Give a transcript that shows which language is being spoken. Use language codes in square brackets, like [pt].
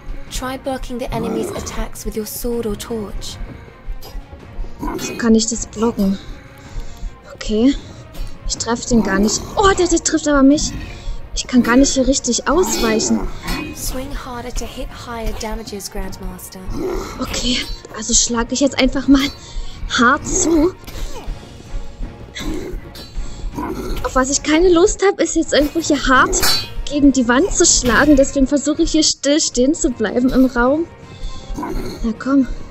[en] Try blocking the enemy's attacks with your sword or torch. [de] So kann ich das blocken. Okay. Ich treffe den gar nicht. Oh, der trifft aber mich. Ich kann gar nicht hier richtig ausweichen. [en] Swing harder to hit higher damages, Grandmaster. [de] Okay, also schlage ich jetzt einfach mal hart zu. Auf was ich keine Lust habe, ist jetzt einfach hier hart gegen die Wand zu schlagen. Deswegen versuche ich hier still stehen zu bleiben im Raum. Na komm.